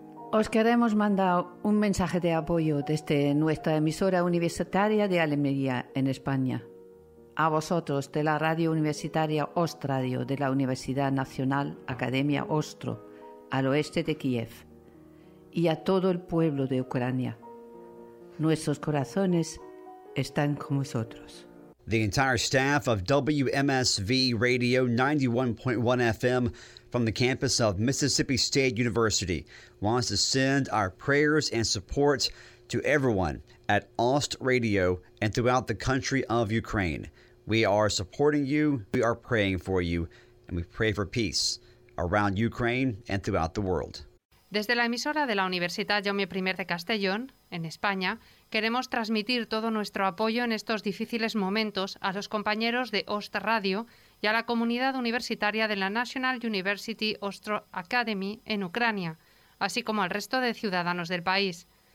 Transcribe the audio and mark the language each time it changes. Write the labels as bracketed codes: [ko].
[es] Os queremos mandar un mensaje de apoyo desde nuestra emisora universitaria de Almería, en España. A vosotros, de la radio universitaria Ostradio de la Universidad Nacional Academia Ostro, al oeste de Kiev, y a todo el pueblo de Ucrania. Nuestros corazones están con vosotros. [en] The entire staff of WMSV Radio 91.1 FM from the campus of Mississippi State University wants to send our prayers and support to everyone at Ost Radio and throughout the country of Ukraine. We are supporting you, we are praying for you, and we pray for peace around Ukraine and throughout the world. [es] Desde la emisora de la Universidad Jaume I de Castellón, en España, queremos transmitir todo nuestro apoyo en estos difíciles momentos a los compañeros de Ost Radio y a la comunidad universitaria de la National University Ostro Academy en Ucrania, así como al resto de ciudadanos del país.